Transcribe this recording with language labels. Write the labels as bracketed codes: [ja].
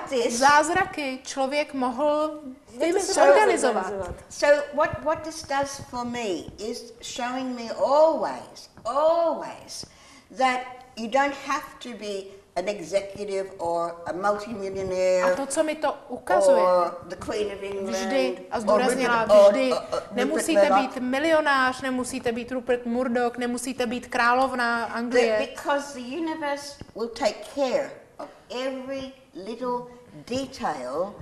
[cs] zázraky člověk mohl organizovat? [en] So what this does for me is showing me always that you don't have to be an executive or a multimillionaire. [cs] A to, co mi to ukazuje, [en] the Queen of England, [cs] vždy a zdůraznila vždy, nemusíte být milionář, nemusíte být Rupert Murdoch, nemusíte být královna Anglie. [en] Because the universe will take care of every little detail.